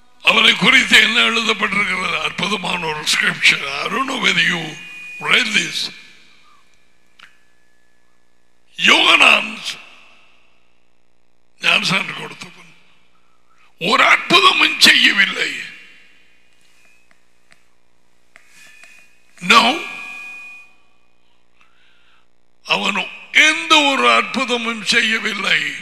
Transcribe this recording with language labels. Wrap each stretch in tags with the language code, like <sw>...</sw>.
<ta>அவனை குறித்து என்ன எழுதப்பட்டிருக்கிறது? அற்புதமான ஒரு scripture.</ta> <en>I don't know whether you read this.</en> <ta>யோகனான் ஞானசான் கொடுத்தவன் ஒரு அற்புதமும் செய்யவில்லை. நோ, அவனும் எந்த ஒரு அற்புதமும் செய்யவில்லை.</ta>